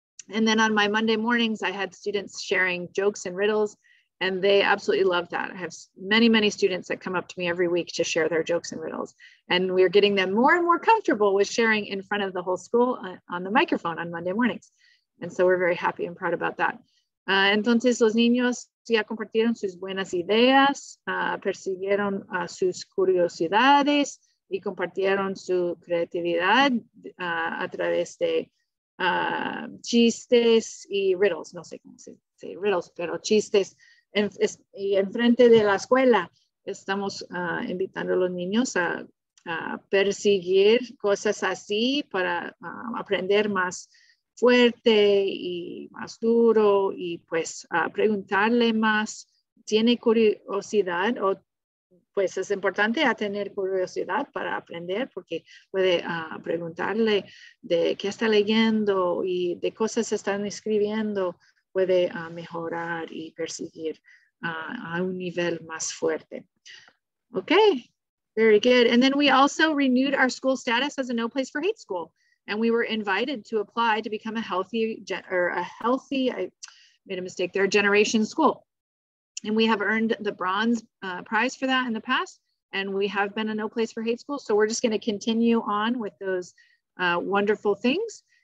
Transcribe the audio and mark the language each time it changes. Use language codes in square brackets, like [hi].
[en] And then on my Monday mornings, I had students sharing jokes and riddles, and they absolutely loved that. I have many, many students that come up to me every week to share their jokes and riddles. And we're getting them more and more comfortable with sharing in front of the whole school on the microphone on Monday mornings. And so we're very happy and proud about that. [es] Entonces, los niños ya compartieron sus buenas ideas, persiguieron sus curiosidades y compartieron su creatividad a través de chistes y riddles. No sé cómo se dice, riddles, pero chistes. Y en frente de la escuela estamos invitando a los niños a perseguir cosas así para aprender más fuerte y más duro y pues preguntarle más, tiene curiosidad o pues es importante a tener curiosidad para aprender porque puede preguntarle de qué está leyendo y de cosas están escribiendo, puede mejorar y perseguir a un nivel más fuerte. [en] Okay, very good. And then we also renewed our school status as a no place for hate school. And we were invited to apply to become a generation school. And we have earned the bronze prize for that in the past. And we have been a no place for hate school. So we're just gonna continue on with those wonderful things.